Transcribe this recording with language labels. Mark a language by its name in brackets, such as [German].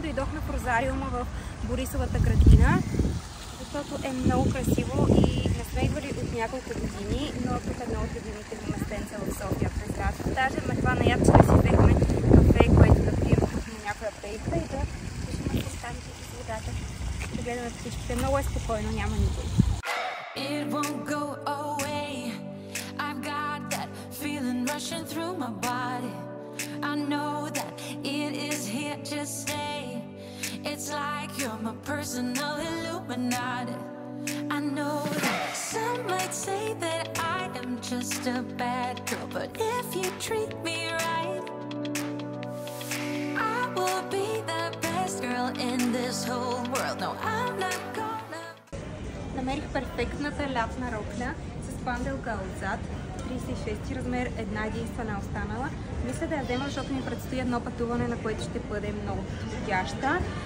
[Bulgarian] Дойдох на прозариума в Борисовата градина, защото е много красиво и не сме идвали от няколко години, но тук е едно от любимите ми местенца в София през лято. Даже ме това наяд, че си взехме кафе, което да пием на някоя пейка и да пишем на останките с водата. Да гледаме птичките. Много е спокойно, няма никой. [English] It won't go away. I've got that feeling rushing through my body. I know that it is here to stay. It's like you're my personal illuminati. I know that some might say that I am just a bad girl, but if you treat me right, I will be the best girl in this whole world. No, I'm not. [Bulgarian] Намерих перфектната лятна рокля с панделка отзад, 36 размер, една единствена останала. Мисля да я взема, защото ми предстои едно пътуване, на което ще бъде много подходяща.